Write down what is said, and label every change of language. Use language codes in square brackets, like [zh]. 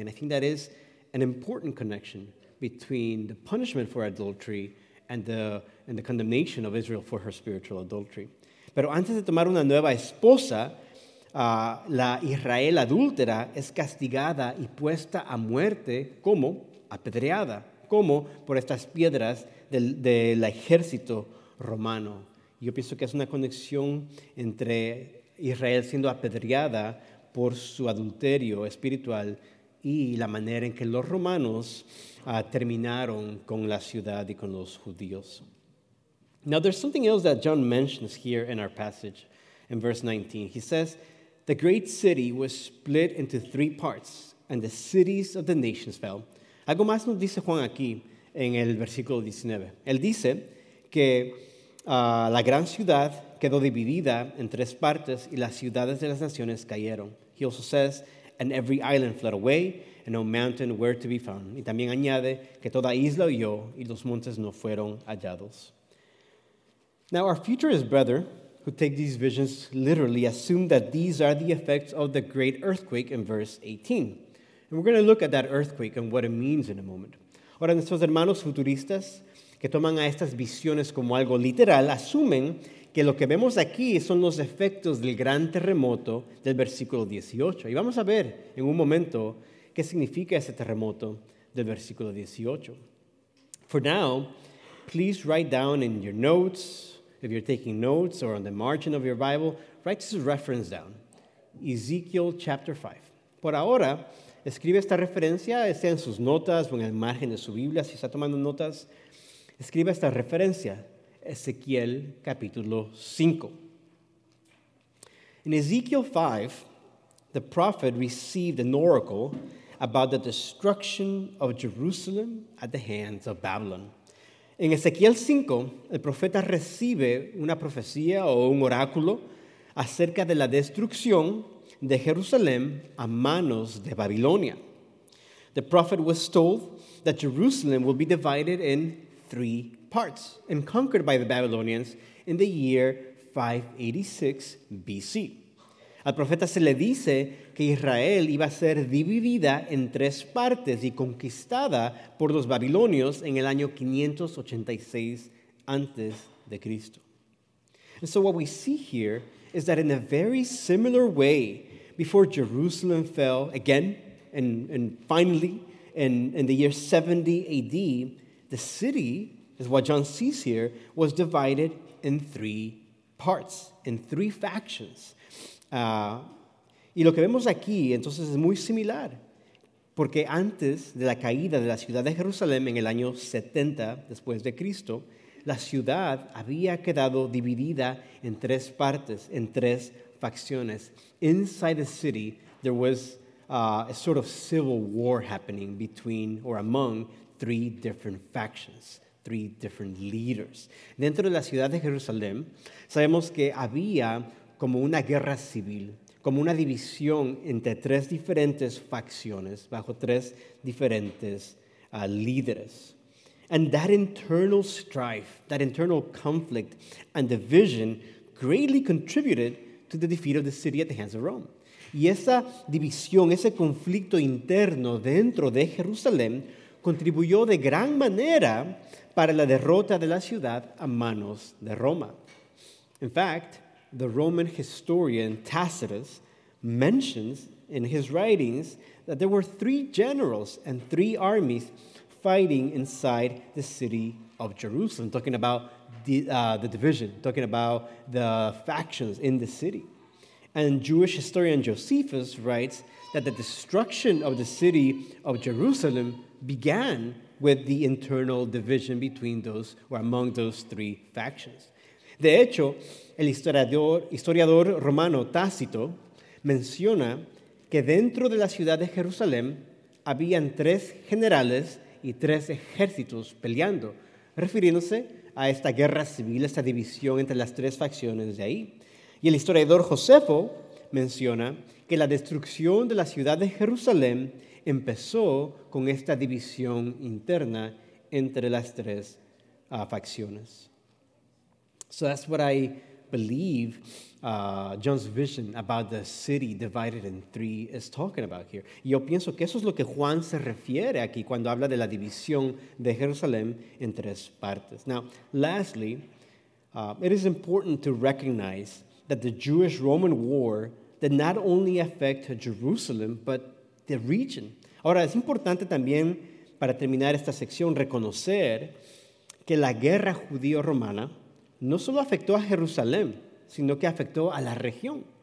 [en] And I think that is an important connection between the punishment for adultery and the condemnation of Israel for her spiritual adultery. [es] Pero antes de tomar una nueva esposa, la Israel adúltera es castigada y puesta a muerte como apedreada. Como por estas piedras del ejército romano. Yo pienso que es una conexión entre Israel siendo apedreada por su adulterio espiritual y la manera en que los romanos terminaron con la ciudad y con los judíos. [en] Now, there's something else that John mentions here in our passage in verse 19. He says, "The great city was split into three parts, and the cities of the nations fell." [es] Algo más nos dice Juan aquí en el versículo 19. Él dice que la gran ciudad quedó dividida en tres partes y las ciudades de las naciones cayeron. [en] He also says, and every island fled away, and no mountain where to be found. [es] Y también añade que toda isla huyó y los montes no fueron hallados. [en] Now our futurist brother, who take these visions literally, assumed that these are the effects of the great earthquake in verse 18. And we're going to look at that earthquake and what it means in a moment. [es] Ahora, nuestros hermanos futuristas que toman a estas visiones como algo literal asumen que lo que vemos aquí son los efectos del gran terremoto del versículo 18. Y vamos a ver en un momento qué significa ese terremoto del versículo 18. [en] For now, please write down in your notes, if you're taking notes or on the margin of your Bible, write this reference down, Ezekiel chapter 5. [es] Por ahora, escribe esta referencia, sea en sus notas o en el margen de su Biblia, si está tomando notas. Escribe esta referencia, Ezequiel capítulo 5. [en] In Ezekiel 5, the prophet received an oracle about the destruction of Jerusalem at the hands of Babylon. [es] En Ezequiel 5, el profeta recibe una profecía o un oráculo acerca de la destrucción de Jerusalén a manos de Babilonia. [en] The prophet was told that Jerusalem will be divided in three parts and conquered by the Babylonians in the year 586 BC. [es] Al profeta se le dice que Israel iba a ser dividida en tres partes y conquistada por los babilonios en el año 586 antes de Cristo. [en] And so what we see here is that in a very similar way, before Jerusalem fell again and finally in the year 70 AD, the city, is what John sees here, was divided in three parts, in three factions. [es] Y lo que vemos aquí, entonces, es muy similar, porque antes de la caída de la ciudad de Jerusalén en el año 70 después de Cristo, la ciudad había quedado dividida en tres partes, en tres facciones. [en] Inside the city, there was a sort of civil war happening between or among three different factions, three different leaders. [es] Dentro de la ciudad de Jerusalén, sabemos que había como una guerra civil, como una división entre tres diferentes facciones bajo tres diferentes líderes. [en] And that internal strife, that internal conflict and division greatly contributed to the defeat of the city at the hands of Rome. [es] Y esa división, ese conflicto interno dentro de Jerusalén contribuyó de gran manera para la derrota de la ciudad a manos de Roma. [en] In fact, the Roman historian Tacitus mentions in his writings that there were three generals and three armies fighting inside the city of Jerusalem, talking about the division, talking about the factions in the city. And Jewish historian Josephus writes that the destruction of the city of Jerusalem began with the internal division between those, or among those three factions. [es] De hecho, el historiador romano Tácito menciona que dentro de la ciudad de Jerusalén habían tres generales y tres ejércitos peleando, refiriéndose a esta guerra civil, esta división entre las tres facciones de ahí. Y el historiador Josefo menciona que la destrucción de la ciudad de Jerusalén empezó con esta división interna entre las tres facciones. [en] So that's what I believe John's vision about the city divided in three is talking about here. [es] Yo pienso que eso es lo que Juan se refiere aquí cuando habla de la división de Jerusalén en tres partes. [en] Now, lastly, it is important to recognize that the Jewish-Roman war did not only affect Jerusalem, but the region. [es] Ahora, es importante también, para terminar esta sección, reconocer que la guerra judío-romana no solo afectó a Jerusalén, sino que afectó a la región.